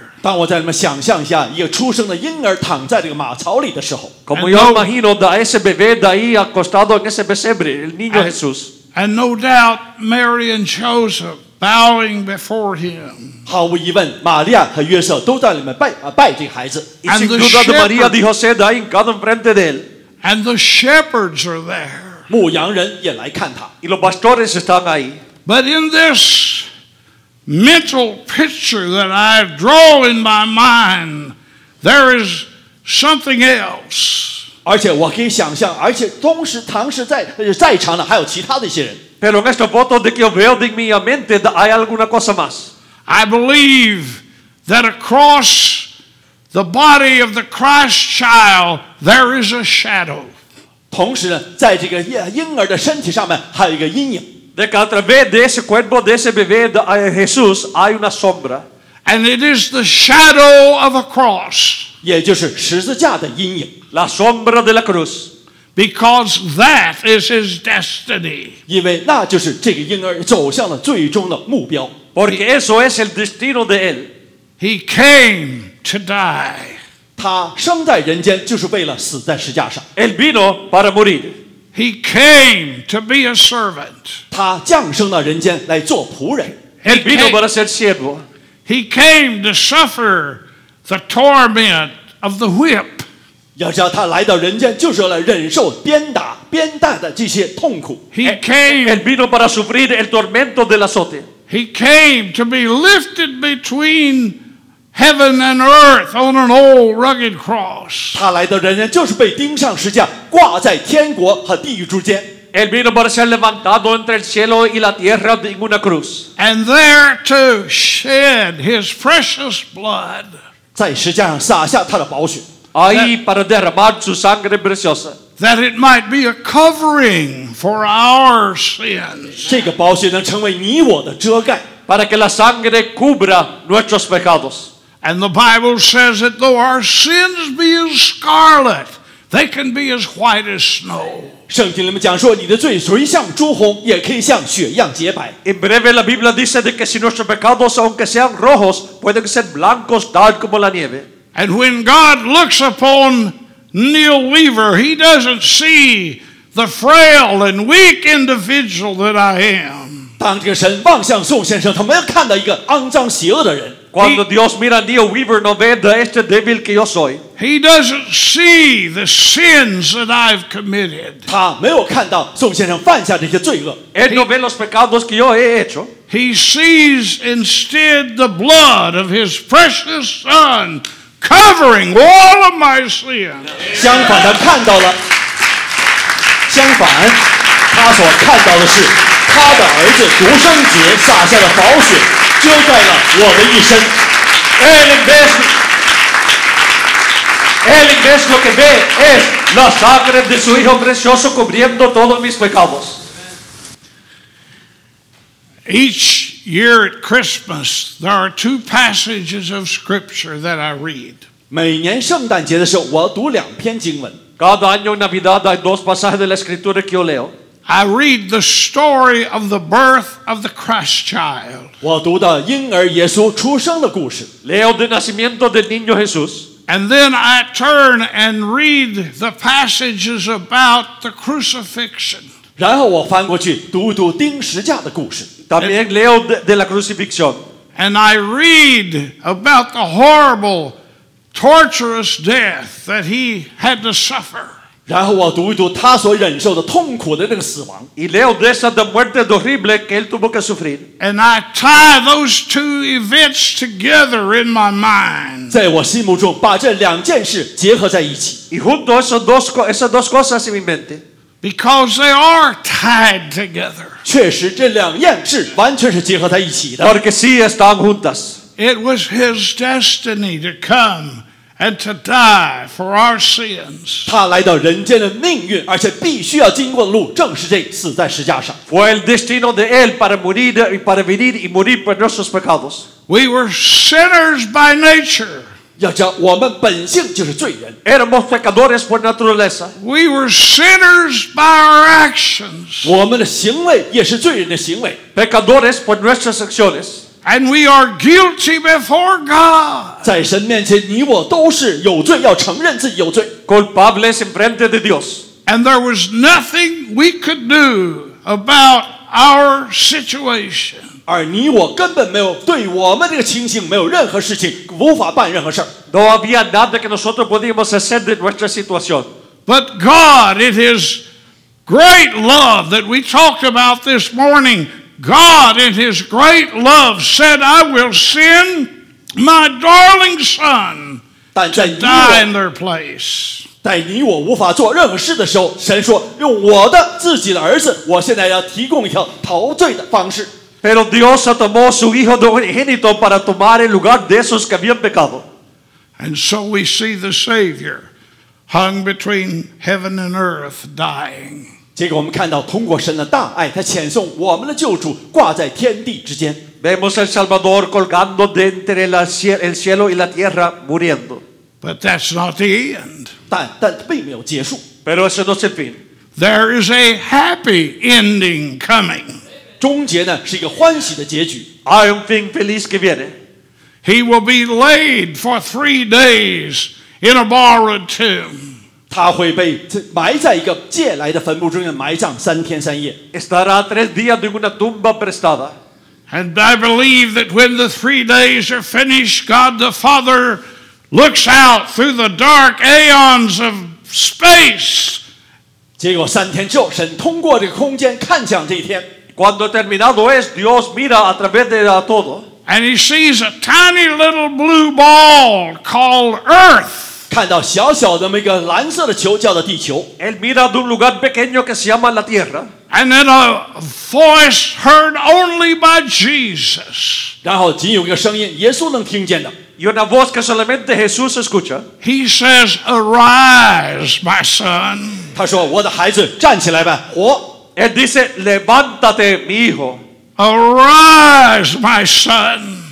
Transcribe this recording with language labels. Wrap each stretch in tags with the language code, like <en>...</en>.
<zh>当我在里面想象一下一个出生的婴儿躺在这个马槽里的时候</zh> <es>Como yo imagino a ese bebé de ahí acostado en ese pesebre, el niño Jesús.</es> <en>And no doubt Mary and Joseph bowing before him.</en> <zh>毫无疑问，玛利亚和约瑟都在里面拜这孩子。</zh> <es>Sin duda de María y José de ahí cada frente de él.</es> <en>And the shepherds are there.</en> <zh>牧羊人也来看他。</zh> <es>Y los pastores están ahí.</es> <en>But in this mental picture that I draw in my mind, there is. Something else.</en> <zh>而且我可以想象，而且同时，同时在在场的还有其他的一些人。</zh> <es>Pero en este foto de que veo de mi mente hay alguna cosa más.</es> <en>I believe that across the body of the Christ child there is a shadow.</en> <zh>同时呢，在这个婴儿的身体上面还有一个阴影。</zh> <es>De que a través de ese cuerpo de ese bebé de Jesús hay una sombra.</es> <en>And it is the shadow of a cross.</en> <zh>也就是十字架的阴影</zh> <es>La sombra de la cruz</es> <en>Because that is his destiny</en> <zh>因为那就是这个婴儿走向了最终的目标</zh> <es>Porque eso es el destino de él</es> <en>He came to die</en> <zh>他生在人间就是为了死在十字架上</zh> <es>Él vino para morir</es> <en>He came to be a servant</en> <zh>他降生到人间来做仆人</zh> <es>Él vino para ser siervo</es> <en>He came to sufferThe torment of the whip.</en> <zh>要知道他来到人间就是来忍受鞭打、鞭打的这些痛苦。</zh> <en>He came.</en> <es>Él vino para sufrir el tormento del azote.</es> <en>He came to be lifted between heaven and earth on an old rugged cross.</en> <zh>他来到人间就是被钉上十字架，挂在天国和地狱之间。</zh> <es>Él vino para ser levantado entre el cielo y la tierra de una cruz.</es> <en>And there to shed his precious blood.</en> <zh>在石架上撒下他的宝血</zh> <es>Ahí para derramar su sangre preciosa</es> <en>that it might be a covering for our sins.</en> <zh>这个宝血能成为你我的遮盖。</zh> <es>Para que la sangre cubra nuestros pecados.</es> <en>And the Bible says that though our sins be as scarlet, they can be as white as snow.</en> <zh>圣经里面讲说，你的罪虽像朱红，也可以像雪一样洁白。</zh> <es>En breve la Biblia dice de que si nuestros pecados, aunque sean rojos, pueden ser blancos tal como la nieve.</es> <en>And when God looks upon Neil Weaver, He doesn't see the frail and weak individual that I am.</en> <zh>当这个神望向宋先生，他们要看到一个肮脏邪恶的人。</zh> <es>Cuando Dios mira Neil Weaver, no ve de este débil que yo soy.</es> <en>He doesn't see the sins that I've committed.</en> <zh>他没有看到宋先生犯下这些罪恶。</zh> <es>Él no ve los pecados que yo he hecho.</es> <en>He sees instead the blood of His precious Son covering all of my sins.</en> <zh>相反，他看到了。相反，他所看到的是。他的儿子独生子洒下的宝血遮盖了我的一生。</zh> <es>Él en vez lo que ve es la sangre de su hijo precioso cubriendo todos mis pecados.</es> <en>Each year at Christmas, there are two passages of scripture that I read.</en> <zh>每年圣诞节的时候，我读两篇经文。</zh> <es>Cada año en Navidad hay dos pasajes de la escritura que yo leo.</es> <en>I read the story of the birth of the Christ child.</en> <zh>我读的婴儿耶稣出生的故事。</zh> <es>Leo del nacimiento del niño Jesús.</es> <en>And then I turn and read the passages about the crucifixion.</en> <zh>然后我翻过去读读钉十架的故事。</zh> <es>También leo de la crucifixión.</es> <en>And I read about the horrible, torturous death that he had to suffer.</en> <zh>然后我读一读他所忍受的痛苦的那个死亡。</zh> <es>Y leo de esa de muerte horrible que él tuvo que sufrir.</es> <en>And I tie those two events together in my mind.</en> <zh>在我心目中把这两件事结合在一起。</zh> <es>Y junto esas dos cosas en mi mente.</es> <en>Because they are tied together.</en> <zh>确实这两件事完全是结合在一起的。</zh> <es>Porque sí están juntas.</es> <en>It was his destiny to come. And to die for our sins.</en> <zh>他来到人间的命运，而且必须要经过的路，正是这死在十字架上。</zh> <es>Fue el destino de él para morir y para venir y morir por nuestros pecados.</es> <en>We were sinners by nature.</en> <zh>要讲我们本性就是罪人。</zh> <es>Éramos pecadores por naturaleza.</es> <en>We were sinners by our actions.</en> <zh>我们的行为也是罪人的行为。</zh> <es>Pecadores por nuestras acciones.</es> <en>And we are guilty before God.</en> <zh>在神面前，你我都是有罪，要承认自己有罪。</zh> <es>Culpables en frente de Dios.</es> <en>And there was nothing we could do about our situation.</en> <zh>而你我根本没有对我们这个情形没有任何事情，无法办任何事。</zh> <es>No había nada que nosotros podíamos hacer de nuestra situación.</es> <en>But God, in His great love that we talked about this morning. God in His great love said, I will send my darling son to die in their place.</en> <zh>在你我无法做任何事的时候，神说，用我的自己的儿子，我现在要提供一条陶醉的方式。</zh> <es>Pero Dios tomó su hijo de unigénito para tomar el lugar de esos que habían pecado.</es> <en>And so we see the Savior hung between heaven and earth dying.</en> <zh>结果我们看到通过神的大爱他遣送我们的救主挂在天地之间。</zh> <es>Vemos al Salvador colgando de entre el cielo y la tierra muriendo.</es> <en>But that's not the end.</en> <zh>但并没有结束。</zh> <es>Pero eso no es el fin.</es> <en>There is a happy ending coming.</en> <zh>终结呢是一个欢喜的结局。</zh> <es>Hay un fin feliz que viene.</es> <en>He will be laid for 3 days in a borrowed tomb.</en> <zh>他会被埋在一个借来的坟墓中间埋葬三天三夜。</zh> <es>Estará tres días en una tumba prestada.</es> <en>And I believe that when the 3 days are finished, God the Father looks out through the dark aeons of space.</en> <zh>结果三天之后，神通过这个空间看向这一天。</zh> <es>Cuando terminado es, Dios mira a través de todo.</es> <en>And He sees a tiny little blue ball called Earth.</en> <zh>看到小小的那个蓝色的球叫做地球。</zh> <es>Él mira de un lugar pequeño que se llama la tierra.</es> <en>And then a voice heard only by Jesus.</en> <zh>然后仅有一个声音，耶稣能听见的。</zh> <es>Y una voz que solamente Jesús escucha.</es> <en>He says, "Arise, my son."</en> <zh>他说，我的孩子，站起来吧，活。</zh> <es>Él dice, "Levántate, mi hijo."</es> <en>Arise, my son.</en>